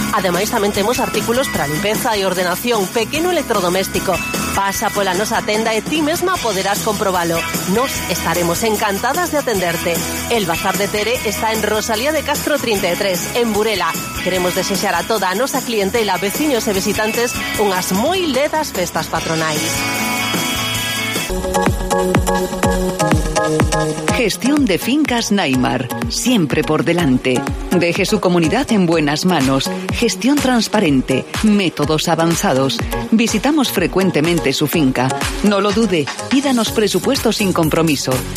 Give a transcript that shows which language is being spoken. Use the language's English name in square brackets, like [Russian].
[Galician] Ademais, tamén temos artículos para limpeza e ordenación, pequeno electrodoméstico. Pasa pola nosa tenda e ti mesma poderás comprobalo. Nos estaremos encantadas de atenderte. El Bazar de Tere está en Rosalía de Castro 33, en Burela. Queremos desexar a toda a nosa clientela, veciños e visitantes, unhas moi ledas festas patronais. [Spanish] Gestión de fincas Naimar, siempre por delante. Deje su comunidad en buenas manos. Gestión transparente, métodos avanzados. Visitamos frecuentemente su finca. No lo dude, pídanos presupuesto sin compromiso.